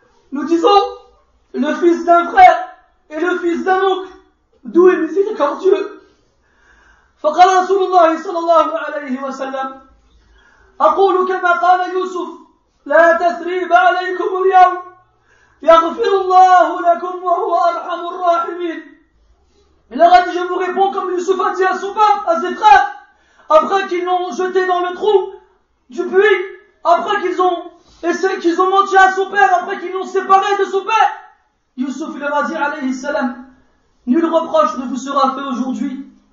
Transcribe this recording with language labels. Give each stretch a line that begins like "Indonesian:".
French: Nous disons le fils d'un frère et le fils d'un oncle, doux et miséricordieux.
Arabic: فقال رسول الله صلى الله عليه وسلم أقول كما قال يوسف لا تثريب عليكم اليوم يغفر الله لكم وهو أرحم الراحمين.
French: Il leur a dit, je vous réponds comme Youssouf a dit à son père, à ses frères, après qu'ils l'ont jeté dans le trou du puits, après qu'ils ont essayé, qu'ils ont menti à son père, après qu'ils l'ont séparé de son père. Youssouf, il leur a dit,
Arabic: alayhi salam,
French: nul reproche ne vous sera fait aujourd'hui.